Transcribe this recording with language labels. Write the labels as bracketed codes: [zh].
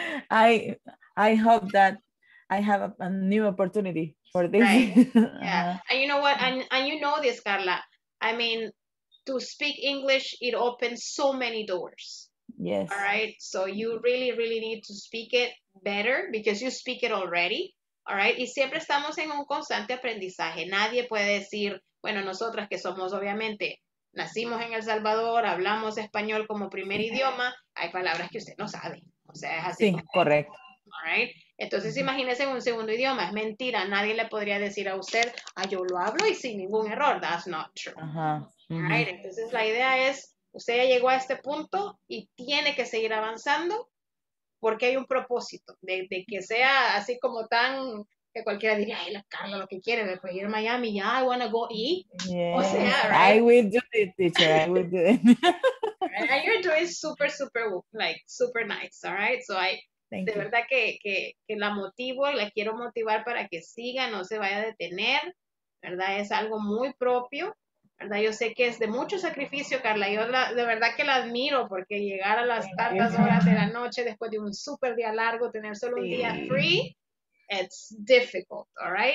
[en] I hope that I have a new opportunity for this. Right. Yeah. And you know what? And you know this, Carla. I mean, to speak English, it opens so many doors. Yes. All right? So you really, really need to speak it better because you speak it already. All right. [es] Y siempre estamos en un constante aprendizaje. Nadie puede decir, bueno, nosotras que somos obviamente, nacimos en El Salvador, hablamos español como primer idioma, hay palabras que usted no sabe. O sea, es así. Sí, correcto. [en] All right. [es] Entonces, imagínese un segundo idioma. Es mentira. Nadie le podría decir a usted, ah, yo lo hablo y sin ningún error. [en] That's not true. Uh-huh. All right. [es] Entonces, la idea es, usted ya llegó a este punto y tiene que seguir avanzando porque hay un propósito. De que sea así como tan, que cualquiera diría, ay, la Carla, lo que quiere, me puede ir a Miami, ya, [en] yeah, I want to go eat. Yeah. [es] O sea, [en] right? I will do it, teacher. I will do it. And you're doing super, super, like, super nice, all right? So I... Thank de you. [es] Verdad que la motivo y la quiero motivar para que siga, no se vaya a detener, ¿verdad? Es algo muy propio, ¿verdad? Yo sé que es de mucho sacrificio, Carla. Yo de verdad que la admiro porque llegar a las tantas horas de la noche después de un súper día largo, tener solo un día free, [en] it's difficult, all right?